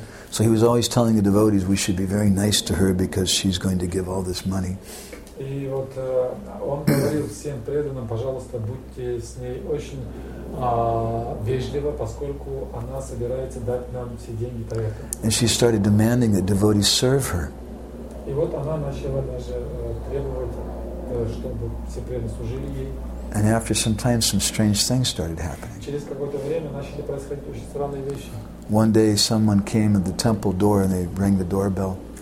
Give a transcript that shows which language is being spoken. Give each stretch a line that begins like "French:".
English: So he was always telling the devotees, we should be very nice to her because she's going to give all this money.
Russian: И вот он говорил всем преданным, пожалуйста, будьте с ней очень вежливо, поскольку она собирается дать нам все деньги Тойоты.
English: And she started demanding that devotees serve her.
Russian: И вот она начала даже требовать, чтобы все преданные служили ей.
English: And after some time, some strange things started happening.
Russian: Через какое-то время начали происходить очень странные вещи.
English: One day someone came at the temple door and they rang the doorbell.